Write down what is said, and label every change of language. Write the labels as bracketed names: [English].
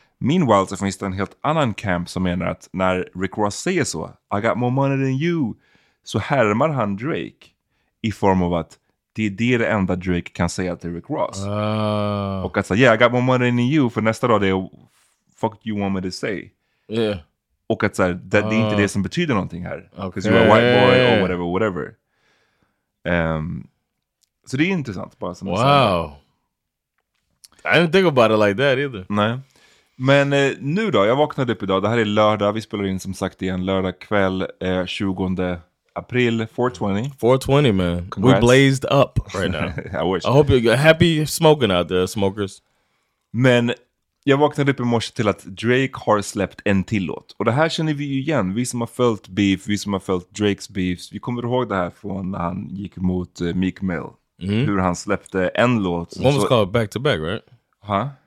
[Swedish] Meanwhile så finns det en helt annan camp som menar att när Rick Ross säger så, [English] I got more money than you, [Swedish] så härmar han Drake i form av att det är det enda Drake kan säga till Rick Ross. Och att säga, [English] yeah, I got more money than you, [Swedish] för nästa dag det är, [English] fuck you want me to say. Yeah. [Swedish] Och att såhär, det är inte det som betyder någonting här. [English] Because you're a white boy or whatever, whatever. [Swedish] Så det är intressant. Bara som [English] wow. [Swedish] Jag [English] I didn't think about it like that either. [Swedish] Nej. Men nu då, jag vaknade upp idag. Det här är lördag. Vi spelar in som sagt igen lördag kväll 20 april 420. [English] 420 man. Congrats. We blazed up right now. I wish. I hope you're happy smoking out there, smokers. [Swedish] Men jag vaknade upp i morse till att Drake har släppt en till låt. Och det här känner vi ju igen. Vi som har följt beef, vi som har följt Drakes beefs. Vi kommer ihåg det här från när han gick mot Meek Mill. Mm-hmm. Hur han släppte en låt. [English] One was called Back to Back, right? Ha?